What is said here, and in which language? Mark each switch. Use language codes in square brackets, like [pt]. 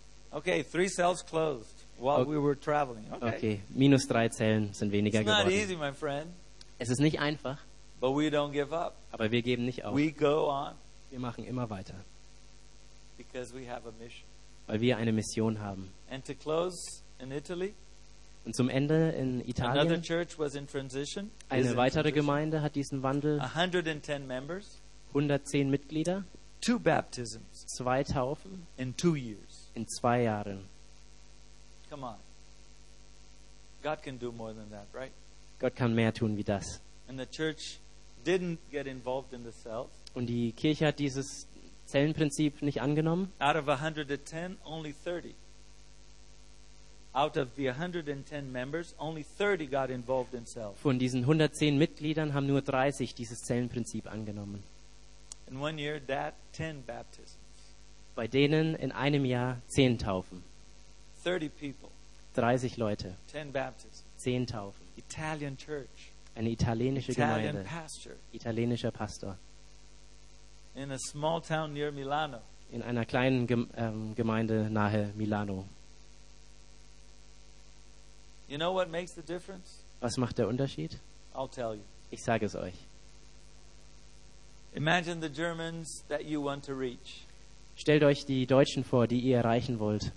[en] Okay, 3 cells closed while we were traveling. Okay. [de] Okay, minus 3 Zellen sind weniger geworden. [en] It's not easy, my friend. [de] Es ist nicht einfach. [en] But we don't give up. [de] Aber wir geben nicht auf. [en] We go on. [de] Wir machen immer weiter. [en] Because we have a mission. [de] Weil wir eine Mission haben. [en] And to close in Italy, [de] und zum Ende in Italien, [en] another church was in transition, [de] eine weitere Gemeinde hat diesen Wandel, [en] 110 members, [de] 110 Mitglieder, [en] 2 baptisms, [de] 2 Taufen [en] in 2 years, [de] in 2 Jahren. [en] Come on. God can do more than that, right? [de] Gott kann mehr tun wie das. [en] And the church didn't get involved in the cells. [de] Und die Kirche hat dieses Zellenprinzip nicht angenommen. [en] Out of 110, only 30. Out of the 110 members, only 30 got involved in cells. [de] Von diesen 110 Mitgliedern haben nur 30 dieses Zellenprinzip angenommen. [en] In one year, that 10 baptisms. [de] Bei denen in einem Jahr 10 Taufen. [en] 30 people. [de] 30 Leute. [en] 10 baptisms. [de] 10 Taufen. [en] Italian church. [de] Eine italienische [en] Italian [de] Gemeinde. [en] Pastor. [de] Italienischer Pastor. [en] In a small town near Milano. [de] In einer kleinen Gemeinde nahe Milano. [en] You know what makes the difference? [de] Was macht der Unterschied? [en] I'll tell you. [de] Ich sage es euch. [en] Imagine the Germans that you want to reach. [de] Stellt euch die Deutschen vor, die ihr erreichen wollt.